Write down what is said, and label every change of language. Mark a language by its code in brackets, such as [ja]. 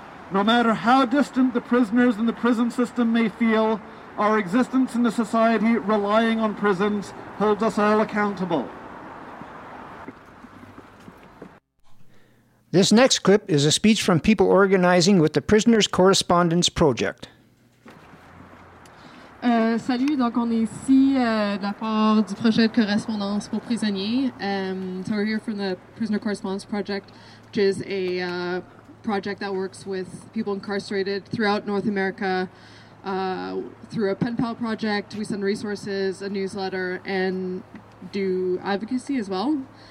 [en] No matter how distant the prisoners in the prison system may feel, our existence in a society relying on prisons holds us all accountable. This next clip is a speech from people organizing with the Prisoners Correspondence Project. [fr] Salut, donc on est ici de la part du projet de correspondance pour prisonniers. [en] So we're here from the Prisoner Correspondence Project, which is a project that works with people incarcerated throughout North America through a pen pal project. We send resources, a newsletter, and do advocacy as well.